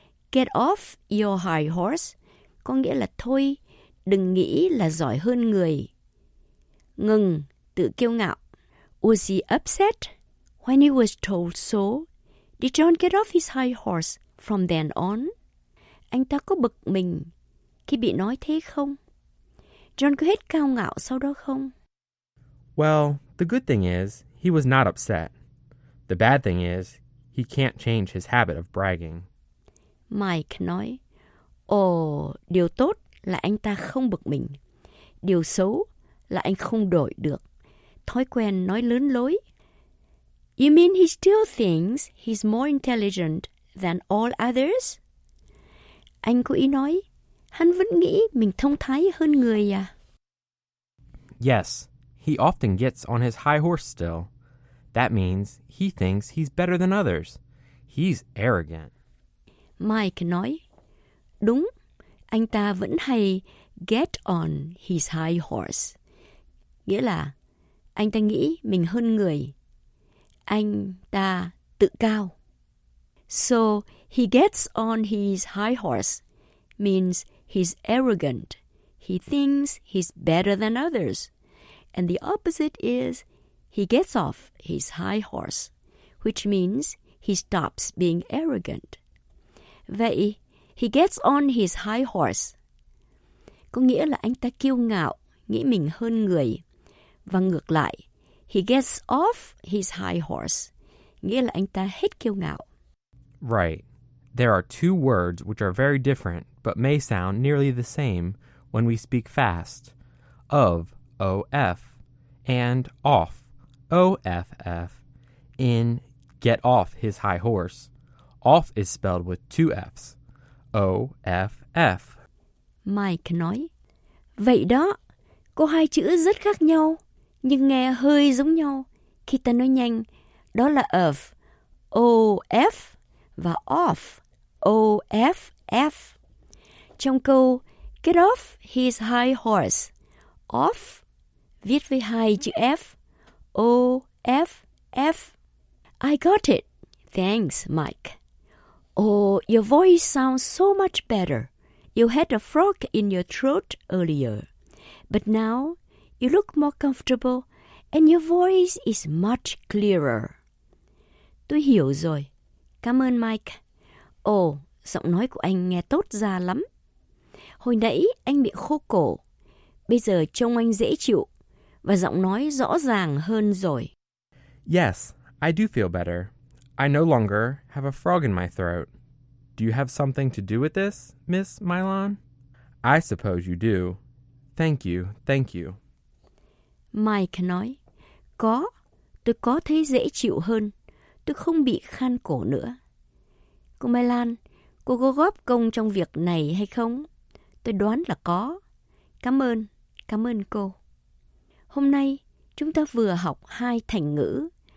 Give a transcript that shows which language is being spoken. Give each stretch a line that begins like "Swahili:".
English: Get off your high horse,
Vietnamese: có nghĩa là thôi, đừng nghĩ là giỏi hơn người. Ngừng, tự kiêu ngạo.
English: Was he upset when he was told so? Did John get off his high horse from then on?
Vietnamese: Anh ta có bực mình khi bị nói thế không? John có hết cao ngạo sau đó không?
English: Well, the good thing is, he was not upset. The bad thing is, He can't change his habit of bragging.
Vietnamese: Mike nói, Ồ, điều tốt là anh ta không bực mình. Điều xấu là anh không đổi được. Thói quen nói lớn lối.
English: You mean he still thinks he's more intelligent than all others?
Vietnamese: Anh có ý nói, hắn vẫn nghĩ mình thông thái hơn người à?
English: Yes, he often gets on his high horse still. That means he thinks he's better than others. He's arrogant.
Vietnamese: Mike nói, đúng, anh ta vẫn hay
English: get on his high horse.
Vietnamese: Nghĩa là, anh ta nghĩ mình hơn người. Anh ta tự cao.
English: So, he gets on his high horse means he's arrogant. He thinks he's better than others. And the opposite is he gets off his high horse, which means he stops being arrogant. Vậy, he gets on his high horse.
Vietnamese: Có nghĩa là anh ta kiêu ngạo, nghĩ mình hơn người. Và ngược lại,
English: he gets off his high horse.
Vietnamese: Nghĩa là anh ta hết kiêu ngạo.
English: Right. There are two words which are very different, but may sound nearly the same when we speak fast. Of, O-F, and off, O-F-F, in, get off his high horse. Off is spelled with two Fs, O-F-F.
Vietnamese: Mike nói, vậy đó, có hai chữ rất khác nhau, nhưng nghe hơi giống nhau. Khi ta nói nhanh, đó là of, O-F, và off, O-F-F. Trong câu,
English: get off his high horse,
Vietnamese: off, viết với hai chữ F, O-F-F.
English: I got it. Thanks, Mike. Oh, your voice sounds so much better. You had a frog in your throat earlier. But now, you look more comfortable and your voice is much clearer.
Vietnamese: Tôi hiểu rồi. Cảm ơn, Mike. Oh, giọng nói của anh nghe tốt ra lắm. Hồi nãy, anh bị khô cổ. Bây giờ trông anh dễ chịu. Và giọng nói rõ ràng hơn rồi.
English: Yes, I do feel better. I no longer have a frog in my throat. Do you have something to do with this, Miss Mylon? I suppose you do. Thank you, thank you.
Vietnamese: Mike nói, có, tôi có thấy dễ chịu hơn. Tôi không bị khan cổ nữa. Cô Mylon, cô có góp công trong việc này hay không? Tôi đoán là có. Cảm ơn cô. Hôm nay, chúng ta vừa học hai thành ngữ.